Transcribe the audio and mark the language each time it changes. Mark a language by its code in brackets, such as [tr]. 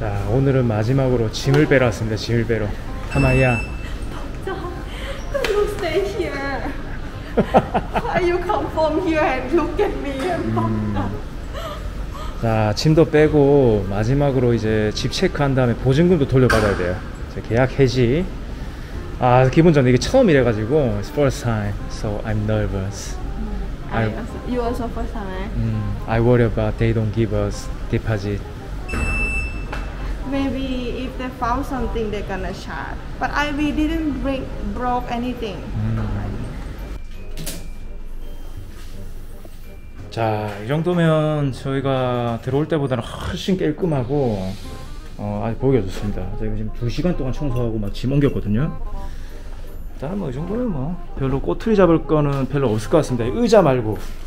[ko] 오늘은 마지막으로 짐을 빼러 왔습니다. 짐을 빼러. 하마야. [en] Don't stay here. Why you come from here and look at me? [ko] 자, 짐도 빼고 마지막으로 이제 집 체크한 다음에 보증금도 돌려받아야 돼요. 이제 계약 해지. 아, 기분 전 이게 처음이라 가지고 [en] it's first time. So I'm nervous. You also first time. I worry about they don't give us deposit. Maybe if they found something, they're gonna charge. But we didn't broke anything. [ko] 자, 이 정도면 저희가 들어올 때보다는 훨씬 깔끔하고 아주 보기가 좋습니다. 저희가 지금 2시간 동안 청소하고 막 짐 옮겼거든요. 일단 뭐 이 정도면 뭐 별로 꼬투리 잡을 거는 별로 없을 것 같습니다. 의자 말고.